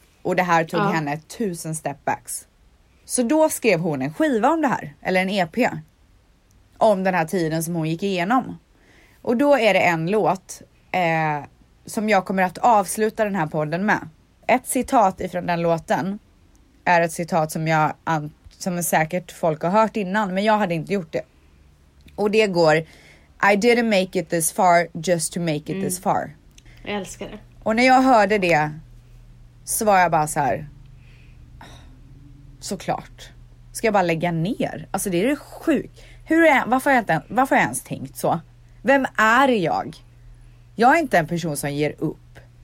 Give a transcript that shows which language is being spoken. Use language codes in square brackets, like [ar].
[sv] Och det här tog henne 1000 [en] step backs. [sv] Så då skrev hon en skiva om det här, eller en EP, om den här tiden som hon gick igenom. Och då är det en låt som jag kommer att avsluta den här podden med. Ett citat ifrån den låten är ett citat som jag, som säkert folk har hört innan, men jag hade inte gjort det. Och det går: [en] I didn't make it this far just to make it this far. [sv] Jag älskar det. Och när jag hörde det så var jag bara så här: såklart. Ska jag bara lägga ner? Alltså det är ju sjukt. Varför har jag ens tänkt så? Vem är jag? Jag är inte en person som ger upp.